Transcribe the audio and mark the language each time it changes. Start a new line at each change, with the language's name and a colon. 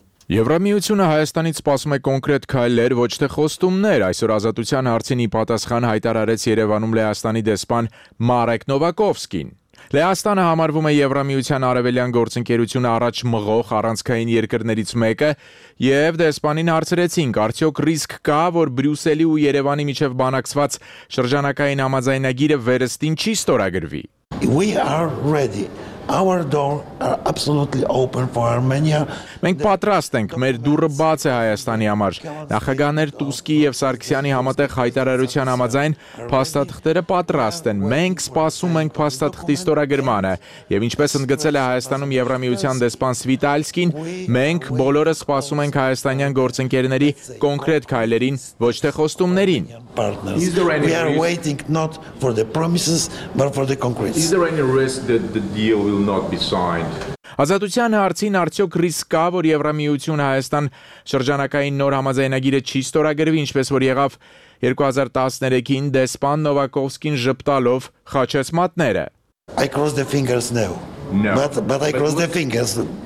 Armenian: Եվրամիությունը Հայաստանից սպասում է կոնկրետ քայլեր, ոչ թե խոստումներ, այսօր ազատության հարցին ի պատասխան հայտարարեց Երևանում Լեհաստանի դեսպան Մարեկ Նովակովսկին։ Լեհաստանը համարվում է Եվրամիության արևելյան գործընկերությունը առաջ մղող առանցքային երկրներից մեկը, և դեսպանին հարցրեցին, արդյոք ռիսկ կա, որ Բրյուսելի ու Երևանի միջև բանակցված շրջանակային համաձայնագիրը վերստին չի ստորագրվի։
English: We are ready. Our door are absolutely open for Armenia.
Armenian: Մենք պատրաստ ենք, մեր դուրը բաց է Հայաստանի համար։ Նախագահներ Տուսկի եւ Սարգսյանի համատեղ հայտարարության համաձայն փաստաթղթերը պատրաստ են։ Մենք սպասում ենք փաստաթղթի ստորագրմանը եւ ինչպես ընդգծել է Հայաստանում Եվրամիության դեսպան Սվիտալսկին, մենք բոլորը սպասում ենք հայաստանյան գործընկերների կոնկրետ քայլերին, ոչ թե խոստումներին։
English: We are waiting not for the promises but for the concrete. Is there any risk that the deal will not be signed?
Armenian: Ազատության հարցին արդյոք ռիսկ կա, որ Եվրամիությունը Հայաստան շրջանակային նոր համաձայնագիրը չի ստորագրվի, ինչպես որ եղավ 2013-ին դեսպան Նովակովսկին ժպտալով խաչեց մատները։
English: I cross the fingers now. No. But I cross the fingers.